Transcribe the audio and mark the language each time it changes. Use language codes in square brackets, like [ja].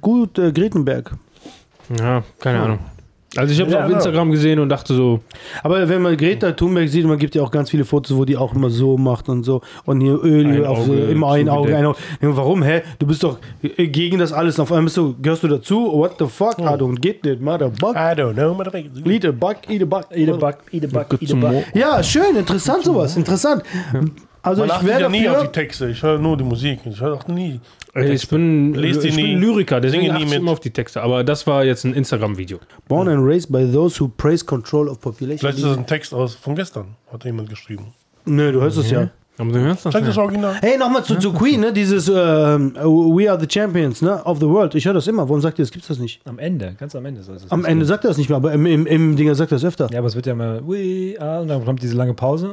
[de] Gut, Gretenberg. Ja, keine Ahnung. Also ich habe es auf Instagram gesehen und dachte so. Aber wenn man Greta Thunberg sieht, man gibt ja auch ganz viele Fotos, wo die auch immer so macht und so. Und hier Öl auf so im einen Auge. Warum, hä? Du bist doch gegen das alles. Auf einmal bist du, gehörst du dazu? [en] What the fuck? I don't get it, motherfuck. I don't know, motherfuck. Eat a bug, eat a bug. Eat a bug, eat a bug, eat a bug. [de] Ja, schön, interessant sowas, interessant. Also man achtet ja nie auf die Texte, ich höre nur die Musik. Ich höre auch nie. Ich bin, Lyriker, deswegen achte ich immer auf die Texte. Aber das war jetzt ein Instagram-Video. [en] Born and raised by those who praise control of population. [de] Vielleicht ist das ein Text aus, von gestern, hat jemand geschrieben. Nö, du hörst es ja. Aber du hörst das. Zeig das Original. Hey, nochmal zu Queen, ne? Dieses We are the champions, ne? Of the world. Ich höre das immer. Warum sagt ihr, das gibt's das nicht? Am Ende, ganz am Ende. Das am Ende sagt er das nicht mehr, aber im Dinger sagt er das öfter. Ja, aber es wird ja immer We are, und dann kommt diese lange Pause.